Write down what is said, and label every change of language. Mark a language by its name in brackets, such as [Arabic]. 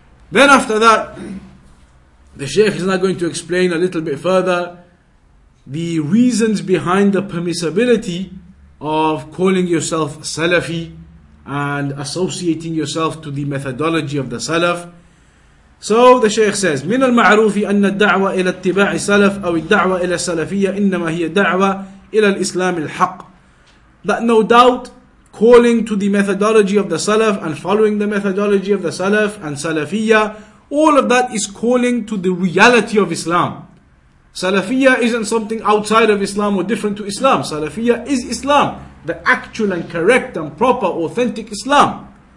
[English] Then after that, the Shaykh is now going to explain a little bit further the reasons behind the permissibility of calling yourself Salafi and associating yourself to the methodology of the Salaf. So the Shaykh says, [Arabic] من المعروف أن الدعوة إلى اتباع السلف أو الدعوة إلى السلفية إنما هي دعوة إلى الإسلام الحق. [English] That no doubt, calling to the methodology of the Salaf and following the methodology of the Salaf and Salafiyya, all of that is calling to the reality of Islam. Salafiyya isn't something outside of Islam or different to Islam. Salafiyya is Islam, the actual and correct and proper authentic Islam.